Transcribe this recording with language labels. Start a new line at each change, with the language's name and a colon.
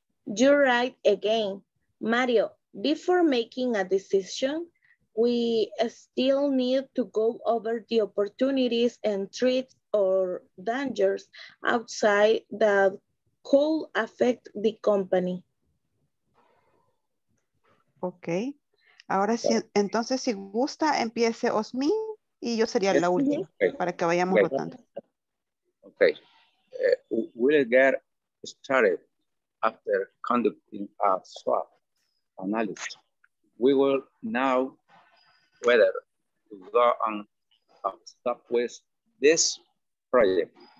English: You're right again, Mario. Before making a decision, we still need to go over the opportunities and threats or dangers outside that could affect the company. Okay.
Spanish: Ahora sí, entonces si gusta, empiece Osmin y yo sería la última para que vayamos rotando.
English: Okay. We'll get started. After conducting a swap analysis, we will know whether to go on or stop with this project.